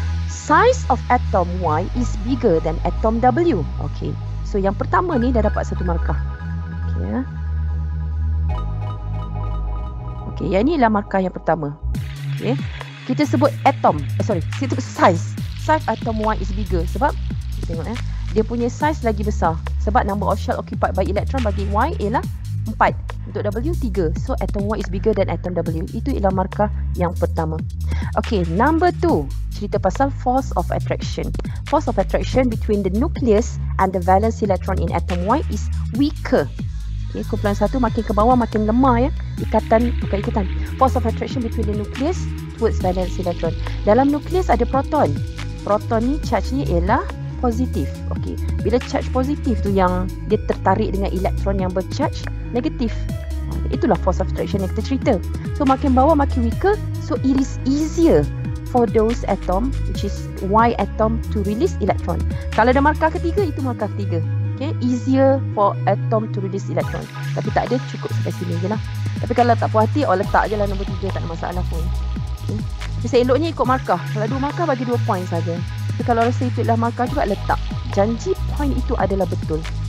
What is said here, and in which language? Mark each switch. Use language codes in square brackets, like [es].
[en] Size of atom Y is bigger than atom W. [ms] Okay, so yang pertama ni dah dapat satu markah. Okay, ya. Okay, yang ni lah markah yang pertama. Okay, kita sebut atom. [en] Size. Size atom Y is bigger [ms] sebab tengok ya. Dia punya size lagi besar. Sebab [en] number of shell occupied by electron [ms] bagi Y ialah 4. Untuk W, 3. [en] So, atom Y is bigger than atom W. [ms] Itu ialah markah yang pertama. [en] Okay, number 2. [ms] Cerita pasal [en] force of attraction. Force of attraction between the nucleus and the valence electron in atom Y is weaker. [ms] Okay, kumpulan 1 makin ke bawah makin lemah ya. Ikatan. [en] Force of attraction between the nucleus towards valence electron. [ms] Dalam nucleus ada proton. Proton ni charge ni ialah positif. Okey. Bila charge positif tu yang dia tertarik dengan elektron yang bercharge negatif. Itulah force of attraction yang kita cerita. [en] So [ms] makin bawah makin [en] weaker, so it is easier for those atom which is Y atom to release electron. [ms] Kalau ada markah ketiga, itu markah ketiga. Okey, [en] easier for atom to release electron. [ms] Tapi tak ada, cukup sampai sini jelah. Tapi kalau tak puas hati, awak letak jelah nombor 3, tak ada masalah pun. Okey. Tapi seeloknya ikut markah. Kalau 2 markah bagi 2 point saja. Tapi kalau rasa itu adalah markah juga, letak. Janji poin itu adalah betul.